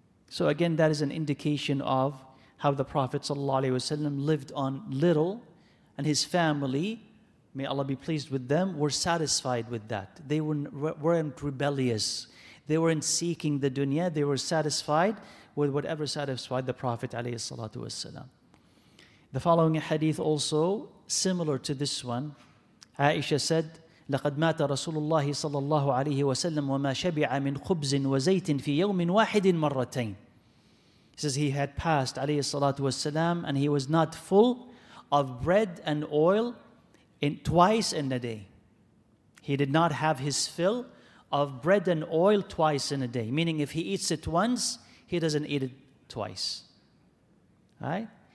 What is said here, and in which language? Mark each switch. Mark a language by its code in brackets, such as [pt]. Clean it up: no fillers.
[en] So again, that is an indication of how the Prophet ﷺ lived on little, and his family, may Allah be pleased with them, were satisfied with that. They weren't rebellious. They weren't seeking the dunya. They were satisfied with whatever satisfied the Prophet ﷺ. The following hadith also, similar to this one, Aisha said, [ar] لقد مات رسول الله صلى الله عليه وسلم وما شبع من خبز وزيت في يوم واحد مرتين. [en] He says he had passed [ar] عليه الصلاة والسلام [en] and he was not full of bread and oil twice in a day. He did not have his fill of bread and oil twice in a day. Meaning if he eats it once, he doesn't eat it twice. Right?